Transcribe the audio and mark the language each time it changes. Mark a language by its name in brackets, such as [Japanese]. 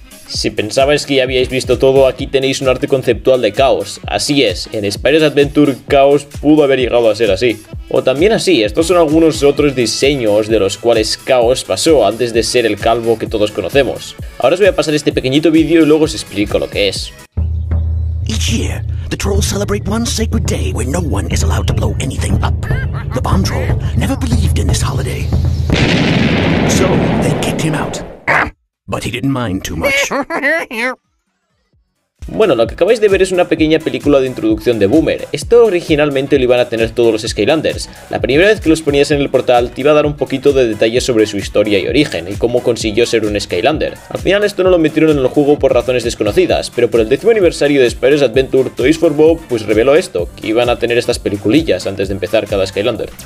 [Spanish] Si pensabais que ya habíais visto todo, aquí tenéis un arte conceptual de Chaos. Así es, en Spyro's Adventure, Chaos pudo haber llegado a ser así. O también así, estos son algunos otros diseños de los cuales Chaos pasó antes de ser el calvo que todos conocemos. Ahora os voy a pasar este pequeñito vídeo y luego os explico lo que es. [English] Each year, the trolls celebrate one sacred day where no one is allowed to blow anything up. The bomb troll never believed in this holiday. So, they kicked him out. But he didn't mind too much. [Spanish] Bueno, lo que acabáis de ver es una pequeña película de introducción de Boomer. Esto originalmente lo iban a tener todos los Skylanders. La primera vez que los ponías en el portal te iba a dar un poquito de detalles sobre su historia y origen, y cómo consiguió ser un Skylander. Al final esto no lo metieron en el juego por razones desconocidas, pero por el 10º aniversario de Spyro's Adventure, Toys for Bob pues reveló esto, que iban a tener estas peliculillas antes de empezar cada Skylander.